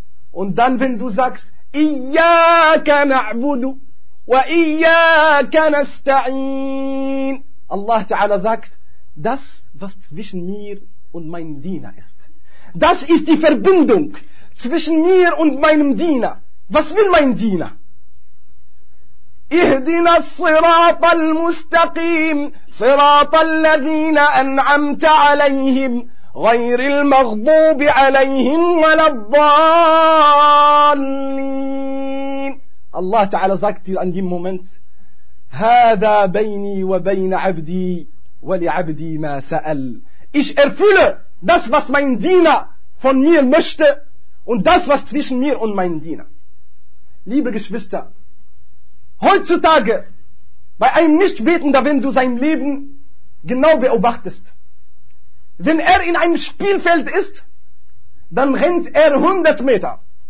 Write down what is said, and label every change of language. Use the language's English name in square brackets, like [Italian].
[German] Und dann, wenn du sagst, [Arabic] Iyaka na'budu wa Iyaka nasta'in, [German] Allah Ta'ala sagt, das, was zwischen mir und mein Diener ist. Das ist die Verbindung zwischen mir und meinem Diener. Was will mein Diener? [Arabic] Ihdina الصراط المستقيم صراط الذين أنعمت عليهم غير المغضوب عليهم ولا الضالين. [German] Allah Ta'ala sagt dir an dem Moment, [Arabic] هذا بيني وبين عبدي ولعبدي ما سأل. [German] Ich erfülle das, was mein Diener von mir möchte und das, was zwischen mir und meinem Diener. Liebe Geschwister, heutzutage bei einem Nichtbetender, wenn du sein Leben genau beobachtest, wenn er in einem Spielfeld ist, dann rennt er 100 Meter.